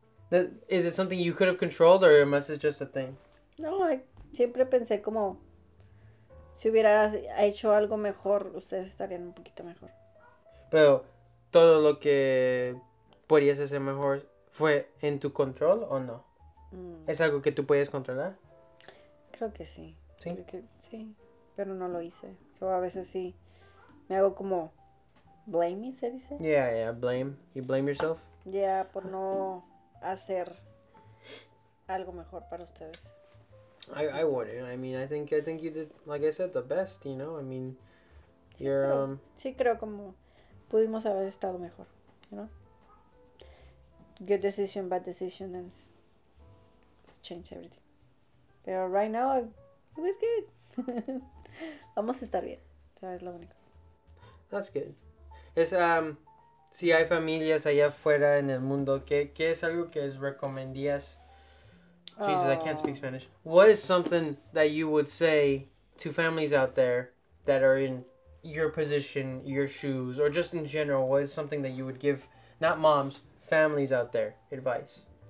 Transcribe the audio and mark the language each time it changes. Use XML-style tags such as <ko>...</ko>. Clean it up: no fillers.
<en>Is it something you could have controlled or is it just a thing?</en> <es>No, I siempre pensé como... Si hubiera hecho algo mejor, ustedes estarían un poquito mejor. Pero todo lo que podías hacer mejor fue en tu control o no? ¿Es algo que tú puedes controlar? Creo que sí. ¿Sí? Creo que sí, pero no lo hice. So, a veces sí me hago como blame, ¿se dice?</es> <en>Yeah, blame. You blame yourself?</en> <es>Yeah, por no hacer algo mejor para ustedes.</es> <en>I wouldn't. I mean, I think you did, like I said, the best, you know? I mean, sí, you're...</en> <es>Creo, sí, creo como pudimos haber estado mejor,</es> <en>you know? Good decision, bad decision, and change everything. But right now, it was good.</en> <es>Vamos a estar bien. Es lo único.</es> <en>That's good.</en> <es>Es, si hay familias allá afuera en el mundo, ¿qué es algo que es recomendías?</es> <en>Jesus, I can't speak Spanish. What is something that you would say to families out there that are in your position, your shoes, or just in general, what is something that you would give, not moms, families out there, advice?</en>